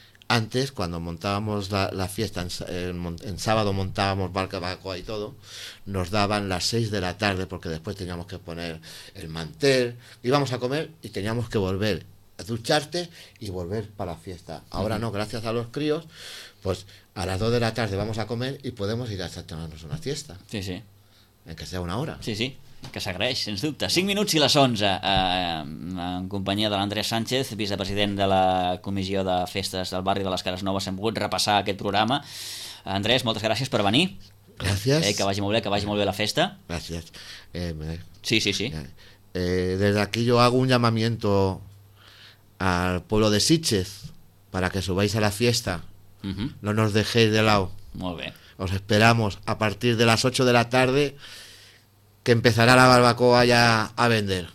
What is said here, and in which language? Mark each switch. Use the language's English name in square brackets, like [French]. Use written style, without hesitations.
[Spanish] Antes, cuando montábamos la fiesta, en sábado montábamos barca, barcoa y todo, nos daban las 6 de la tarde, porque después teníamos que poner el mantel, íbamos a comer y teníamos que volver a ducharte y volver para la fiesta. Ahora no, gracias a los críos, pues a las 2 de la tarde vamos a comer y podemos ir a tomarnos una siesta. Sí, sí. En que sea una hora. [Catalan] Sí, sí. Que s'agraeix, sens dubte. 5 minuts i les 11, en companyia de l'Andrea Sánchez, vicepresident de la Comissió de Festes del Barri de les Cares Noves. Hem pogut repassar aquest programa. Andrés, moltes gràcies per venir. Gràcies. Que vagi molt bé, que vagi molt bé la festa. Gràcies. Sí, sí, sí. Des d'aquí jo [Spanish] hago un llamamiento al pueblo de Sitges para que subáis a la fiesta. Uh-huh. No nos dejéis de lado. [Catalan] Molt bé. [Spanish] Os esperamos a partir de les 8 de la tarde... que empezará la barbacoa ya a vender.